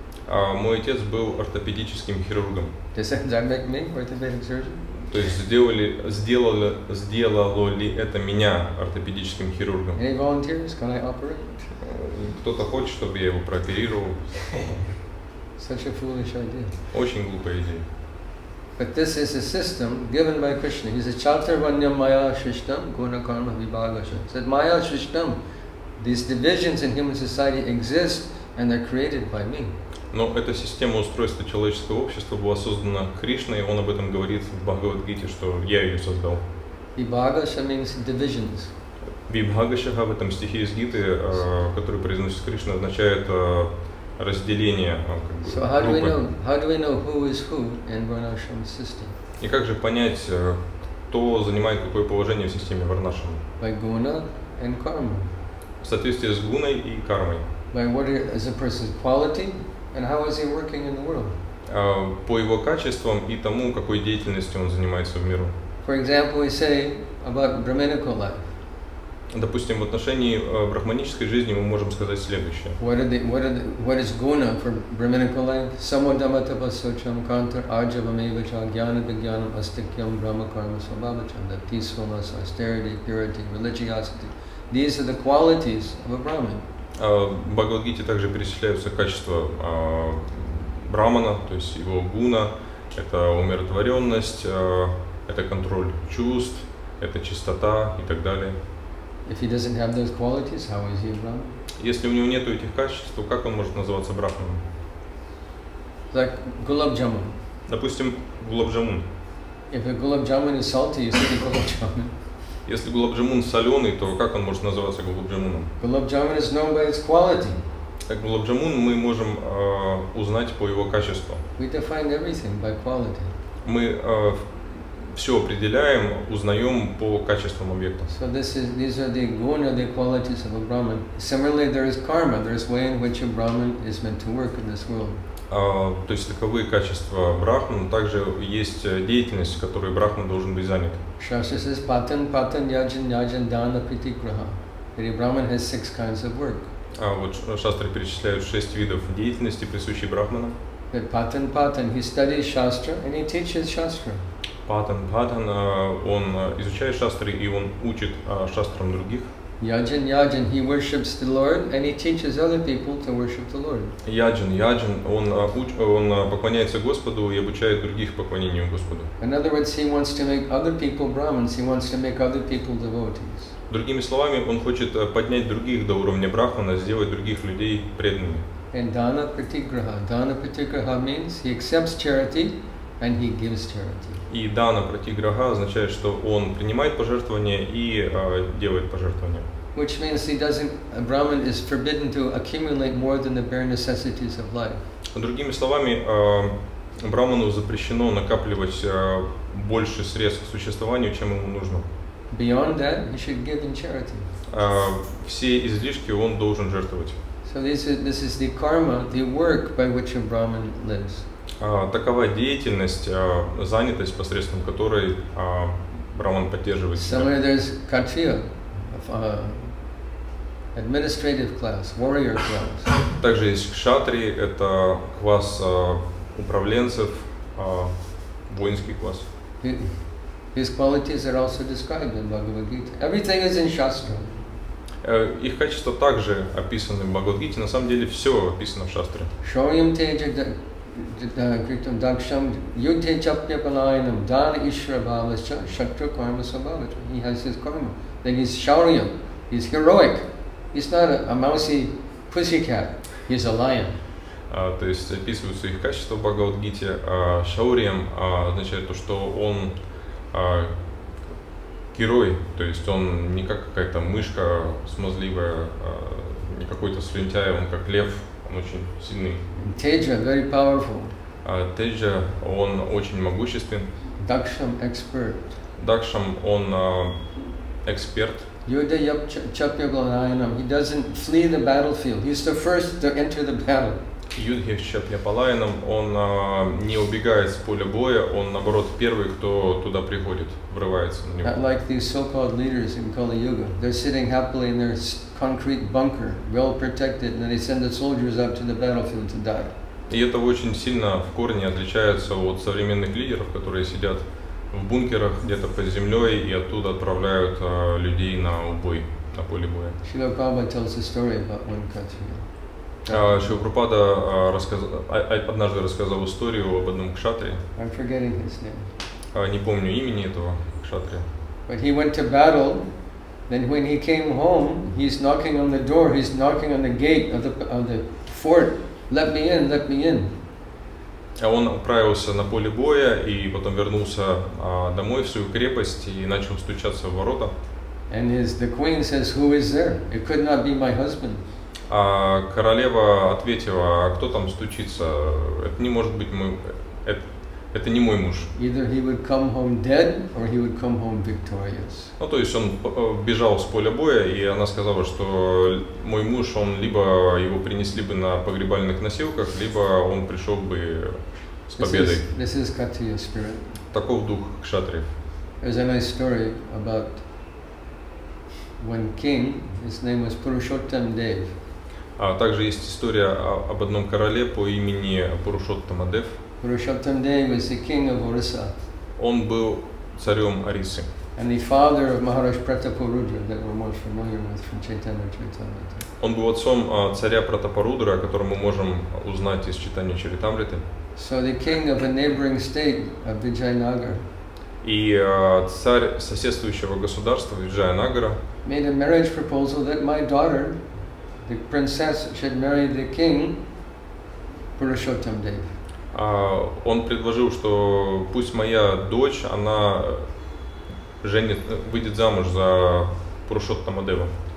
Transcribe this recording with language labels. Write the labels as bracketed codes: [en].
[ru] Мой отец был ортопедическим хирургом. [en] Does that make me orthopedic surgeon? [ru] То есть сделало ли это меня ортопедическим хирургом? [en] Any volunteers? Can I operate? [ru] Кто-то хочет, чтобы я его прооперировал? [en] Such a foolish idea. [ru] Очень глупая идея. [en] But this is a system given by Krishna. He said, [sa] "Chaturvanyam Maya Shishtam Guna Karma Vibhagasha." [en] Said Maya Shishtam, these divisions in human society exist and they're created by me. [ru] Но эта система устройства человеческого общества была создана Кришной, и он об этом говорит в Бхагавад-гите, что я ее создал. [en] Вибхагаша means divisions. [ru] Вибхагаша в этом стихе из Гиты, который произносит Кришна, означает разделение. [en] So how do we know who is who in Varnashram system? [ru] И как же понять, кто занимает какое положение в системе Варнашрам? [en] By guna and karma. [ru] В соответствии с гуной и кармой. [en] By what is a person's quality? And how is he working in the world? [ru] По его качествам и тому, какой деятельностью он занимается в миру. [en] For example, we say about brahminical life. [ru] Допустим, в отношении брахманической жизни мы можем сказать следующее. [en] What is guna for brahminical life? [sa] Samodhamatapasocham kantar ajavamevacha jnana vijnanam astikyam brahma karma svabhavacham [en] that peacefulness, austerity, purity, religiosity. These are the qualities of a brahmin. [ru] В Бхагавад-гите также перечисляются качества брахмана, то есть его гуна, это умиротворенность, это контроль чувств, это чистота и так далее. [en] If he doesn't have those qualities, how is he a brahmin? [ru] Если у него нет этих качеств, то как он может называться брахманом? [en] Like gulab jamun. [ru] Допустим, gulab jamun. [en] If a gulab jamun is salty, you say gulab jamun. [ru] Если гулаб джамун соленый, то как он может называться гулаб джамуном? [en] Гулаб джамун is known by its quality. [ru] Так гулаб джамун мы можем узнать по его качеству. [en] We define everything by quality. [ru] Мы все определяем, узнаем по качествам объекта. [en] So this is, these are the guna, the qualities of a Brahman. Similarly, there is karma, there is way in which a Brahman is meant to work in this world. [ru] То есть таковы качества Брахмана, также есть деятельность, которой Брахман должен быть занят. [en] Шастра says, [sa] patan, patan, yajan, yajan, dana, piti, graha. [en] That a Brahman has six kinds of work. [ru] Вот шастры перечисляют шесть видов деятельности, присущей Брахману. [en] That patan, patan, he studies shastra and he teaches shastra. [ru] Patan, patan, он изучает шастры и он учит шастрам других. [en] Yajan, yajan, he worships the Lord and he teaches other people to worship the Lord. [ru] Yajan, yajan, он поклоняется Господу и обучает других поклонению Господу. [en] In other words, he wants to make other people Brahmins, he wants to make other people devotees. [ru] Другими словами, он хочет поднять других до уровня Брахмана, сделать других людей преданными. [en] And dana pratigraha. Dana pratigraha means he accepts charity and he gives charity. [ru] И дана пратиграха означает, что он принимает пожертвования и делает пожертвования. [en] Which means he doesn't, a Brahmin is forbidden to accumulate more than the bare necessities of life. [ru] Другими словами, Брахману запрещено накапливать больше средств к существованию, чем ему нужно. [en] Beyond that, he should give in charity. [ru] Все излишки он должен жертвовать. [en] So this is the karma, the work by which a Brahmin lives. [ru] Такова деятельность, занятость, посредством которой Брахман поддерживает себя. [en] Somewhere there's kshatriya, administrative class, warrior class. [ru] Также есть кшатри, это класс управленцев, воинский класс. [en] These qualities are also described in Bhagavad Gita. Everything is in shastra. [ru] Их качества также описаны в Бхагавад Гите. На самом деле все описано в шастре. [sa] Шоям теджа критам дакшам юдхе чапья палайнам дан ишра бхаваща шатра карма сабхавача. [en] He has his karma. Then he's шауриям. He's heroic. He's not a mousy pussycat. He's a lion. [ru] То есть описываются их качества в Бхагавад Гите. Шауриям означает то, что он герой, то есть он не как какая-то мышка смазливая, не какой-то слюнтяй, он как лев, он очень сильный. [en] Теджа, very powerful. [ru] Теджа, он очень могуществен. [en] Дакшам, expert. [ru] Дакшам, он эксперт. [sa] Юдхе чапья палайнам, [en] he doesn't flee the battlefield, he's the first to enter the battle. [sa] Юдхе чапья палайнам, [ru] он не убегает с поля боя, он наоборот первый, кто туда приходит. [en] Like these so-called leaders in Kali Yuga, they're sitting happily in their concrete bunker, well protected, and they send the soldiers up to the battlefield to die. [ru] И это очень сильно в корне отличается от современных лидеров, которые сидят в бункерах где-то под землей и оттуда отправляют людей на убой, на поле боя. [en] Srila Prabhupada tells a story about one kshatriya. [ru] Srila Prabhupada однажды рассказал историю об одном кшатре. [en] I'm forgetting his name. [ru] Не помню имени этого кшатрия. [en] But he went to battle, then when he came home, he's knocking on the door, he's knocking on the gate of the fort. Let me in, let me in. [ru] А он отправился на поле боя и потом вернулся домой в свою крепость и начал стучаться в ворота. [en] And the queen says, who is there? It could not be my husband. [ru] А королева ответила, а кто там стучится? Это не может быть мой. Это не мой муж. [en] Either he would come home dead or he would come home victorious. [ru] Ну, то есть он бежал с поля боя, и она сказала, что мой муж, он либо его принесли бы на погребальных носилках, либо он пришел бы с победой. [en] This is Kshatriya spirit. [ru] Таков дух кшатри. [en] There's a nice story about one king, his name was Purushottam Dev. [ru] А также есть история об одном короле по имени Пурушоттама Дев. [en] Purushottam Dev was the king of Orissa. [ru] Он был царем Ориссы. [en] And the father of Maharaj Prataparudra that we're most familiar with from Chaitanya Charitamrita. [ru] Он был отцом царя Пратапарудры, о котором мы можем узнать из Чайтанья Чаритамриты. [en] So the king of a neighboring state of Vijayanagara. [ru] И царь соседствующего государства Виджаянагара. [en] Made a marriage proposal that my daughter, the princess, should marry the king, Purushottam Dev. [ru] Он предложил, что пусть моя дочь, она выйдет замуж за Пурушоттама Дева.